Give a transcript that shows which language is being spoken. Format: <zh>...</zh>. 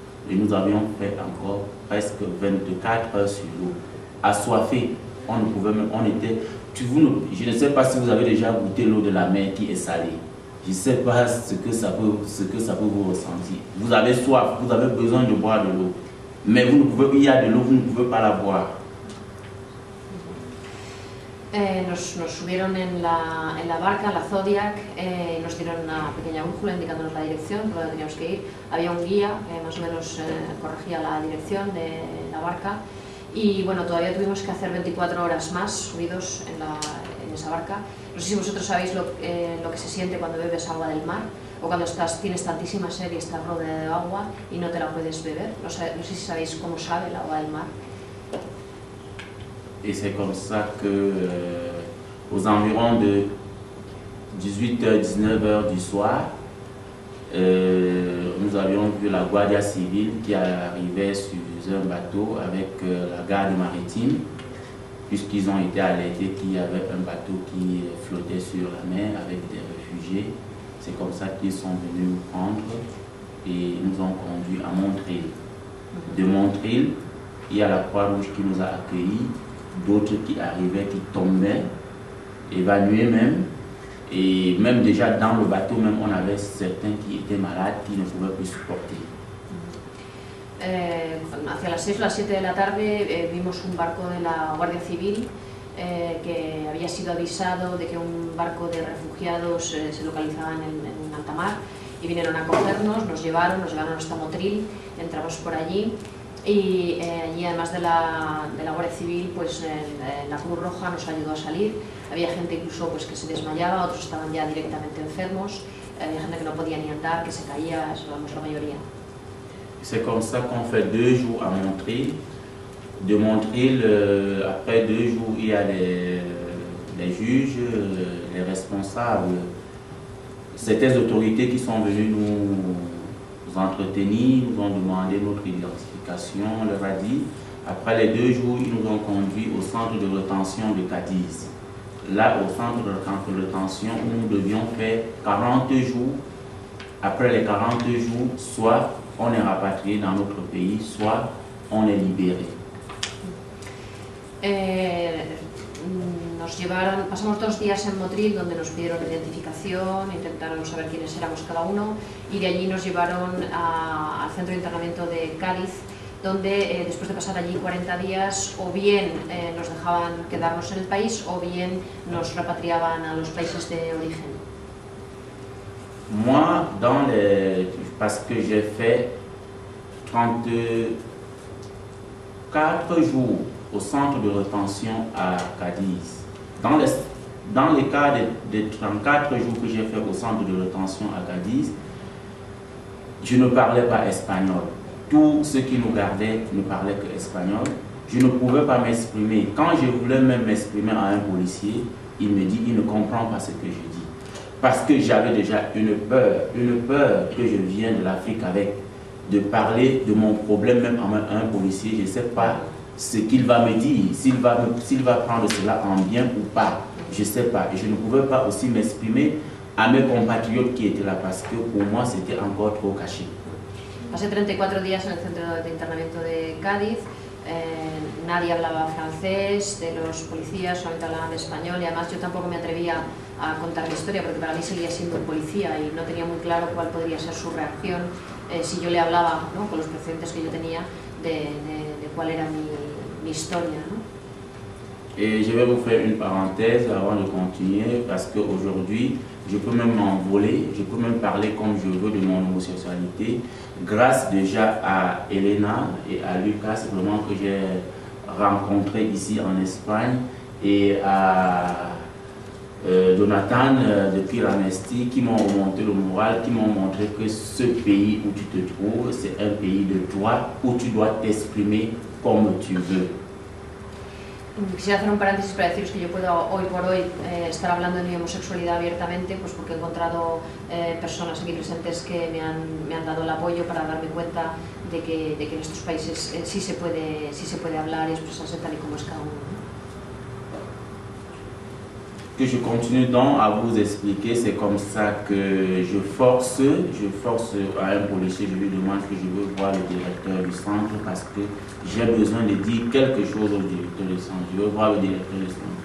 <fr>Et nous avions fait encore presque 24 heures sur l'eau, assoiffés. On ne pouvait même, on était... Je ne sais pas si vous avez déjà goûté l'eau de la mer qui est salée. Je ne sais pas ce que ça peut vous ressentir. Vous avez soif, vous avez besoin de boire de l'eau. Mais vous ne pouvez, il y a de l'eau, vous ne pouvez pas la boire.</fr> <es>Nos subieron en la barca, la Zodiac, nos dieron una pequeña brújula indicándonos la dirección por donde teníamos que ir. Había un guía que más o menos corregía la dirección de la barca. Y bueno, todavía tuvimos que hacer 24 horas más subidos en esa barca. No sé si vosotros sabéis lo que se siente cuando bebes agua del mar o cuando tienes tantísima sed y estás rodeado de agua y no te la puedes beber. No sé si sabéis cómo sabe el agua del mar. Y es como eso que,</es> <fr>aux environs de 18h-19h du soir, nous avions vu la Guardia Civil qui arrivait sur un bateau avec la garde maritime, puisqu'ils ont été alertés qu'il y avait un bateau qui flottait sur la mer avec des réfugiés. C'est comme ça qu'ils sont venus nous prendre et nous ont conduits à Montreal. De Montreal, il y a la Croix-Rouge qui nous a accueillis, d'autres qui arrivaient, qui tombaient, évanouis même. Et même déjà dans le bateau, même on avait certains qui étaient malades, qui ne pouvaient plus supporter.</fr> <es>Hacia las 6 o las 7 de la tarde vimos un barco de la Guardia Civil que había sido avisado de que un barco de refugiados se localizaba en alta mar y vinieron a cogernos, nos llevaron hasta Motril, entramos por allí y allí además de la Guardia Civil pues la Cruz Roja nos ayudó a salir. Había gente incluso pues, que se desmayaba, otros estaban ya directamente enfermos, había gente que no podía ni andar, que se caía, vamos, la mayoría.</es> <fr>C'est comme ça qu'on fait 2 jours à Montreal. De Montreal, après 2 jours, il y a les juges, les responsables, certaines autorités qui sont venues nous entretenir, nous ont demandé notre identification, on leur a dit. Après les 2 jours, ils nous ont conduits au centre de retention de Cadiz. Là, au centre de retention, où nous devions faire 40 jours. Après les 40 jours, soit on est rapatrié dans notre pays, soit on est libéré.</fr> <es>Nos llevaron, pasamos 2 días en Motril, donde nos pidieron identificación, intentaron saber quiénes éramos cada uno, y de allí nos llevaron al centro de internamiento de Cádiz, donde después de pasar allí 40 días, o bien nos dejaban quedarnos en el país, o bien nos repatriaban a los países de origen.</es> <fr>Moi, parce que j'ai fait 34 jours au centre de retention à Cadiz. Dans les cas de 34 jours que j'ai fait au centre de retention à Cadiz, je ne parlais pas espagnol. Tous ceux qui nous gardaient ne parlaient que espagnol. Je ne pouvais pas m'exprimer. Quand je voulais même m'exprimer à un policier, il me dit qu'il ne comprend pas ce que je dis. Parce que j'avais déjà une peur que je viens de l'Afrique avec, de parler de mon problème même à un policier, je ne sais pas ce qu'il va me dire, s'il va prendre cela en bien ou pas, je ne sais pas. Et je ne pouvais pas aussi m'exprimer à mes compatriotes qui étaient là, parce que pour moi c'était encore trop caché.</fr> <es>Passé 34 días en el centro de internamiento de Cádiz, nadie hablaba francés, de los policías solamente hablaban español y además yo tampoco me atrevía a contar mi historia porque para mí seguía siendo un policía y no tenía muy claro cuál podría ser su reacción si yo le hablaba, ¿no?, con los precedentes que yo tenía de cuál era mi historia, ¿no?</es> <fr>Je vais vous faire une parenthèse avant de continuer parce qu'aujourd'hui je peux même m'envoler, je peux même parler comme je veux de mon homosexualité grâce déjà à Elena et à Lucas vraiment que j'ai rencontré ici en Espagne et à Jonathan, depuis l'Amnesty, qui m'ont remonté le moral, qui m'ont montré que ce pays où tu te trouves, c'est un pays de droit où tu dois t'exprimer comme tu veux.</fr> <es>Quisiera hacer un paréntesis para deciros que yo puedo hoy por hoy estar hablando de mi homosexualidad abiertamente, pues porque he encontrado personas aquí presentes que me han dado el apoyo para darme cuenta de que en estos países sí se puede hablar y expresarse tal y como es cada uno.</es> <fr>Que je continue donc à vous expliquer, c'est comme ça que je force à un policier, je lui demande que je veux voir le directeur du centre parce que j'ai besoin de dire quelque chose au directeur du centre, je veux voir le directeur du centre.</fr>